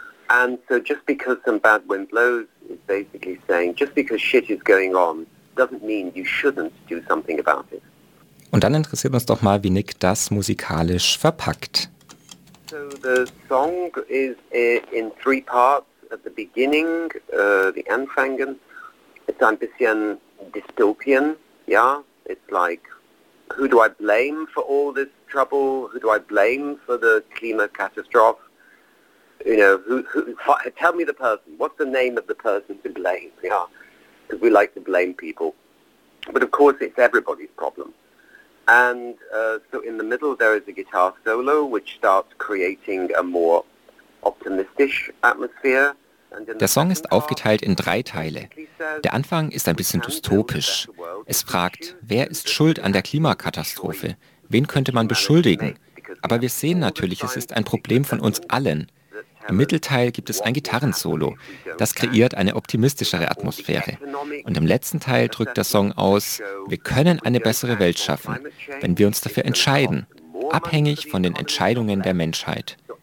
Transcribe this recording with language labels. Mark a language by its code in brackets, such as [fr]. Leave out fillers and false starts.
[en] And so just because some bad wind blows is basically saying, just because shit is going on doesn't mean you shouldn't do something about it. [de] Und dann interessiert uns doch mal, wie Nick das musikalisch verpackt. [en] So the song is in three parts. At the beginning, the Anfangen, it's [de] ein bisschen [en] dystopian, yeah? It's like, who do I blame for all this trouble? Who do I blame for the Klima catastrophe? You know, who tell me the person. What's the name of the person to blame? Yeah, because we like to blame people. But of course, it's everybody's problem. And so in the middle, there is a guitar solo, which starts creating a more optimistic atmosphere. [de] Der Song ist aufgeteilt in drei Teile. Der Anfang ist ein bisschen dystopisch. Es fragt, wer ist schuld an der Klimakatastrophe? Wen könnte man beschuldigen? Aber wir sehen natürlich, es ist ein Problem von uns allen. Im Mittelteil gibt es ein Gitarrensolo. Das kreiert eine optimistischere Atmosphäre. Und im letzten Teil drückt der Song aus, wir können eine bessere Welt schaffen, wenn wir uns dafür entscheiden, abhängig von den Entscheidungen der Menschheit.